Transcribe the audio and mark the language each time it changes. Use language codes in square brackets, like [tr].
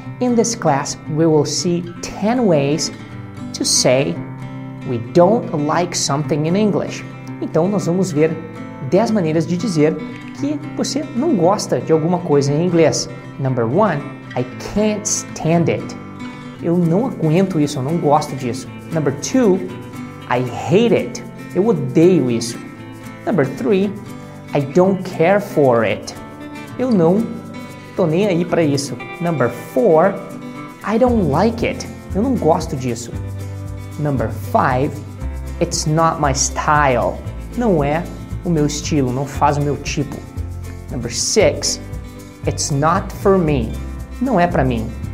[en] In this class, we will see 10 ways to say we don't like something in English. [pt] Então, nós vamos ver 10 maneiras de dizer que você não gosta de alguma coisa em inglês. [en] Number 1, I can't stand it. [pt] Eu não aguento isso, eu não gosto disso. [en] Number 2, I hate it. [pt] Eu odeio isso. [en] Number 3, I don't care for it. [pt] Eu não tô nem aí para isso. [en] Number 4, I don't like it. [pt] Eu não gosto disso. [en] Number 5, it's not my style. [pt] Não é o meu estilo, não faz o meu tipo. [en] Number 6, it's not for me. [pt] Não é para mim.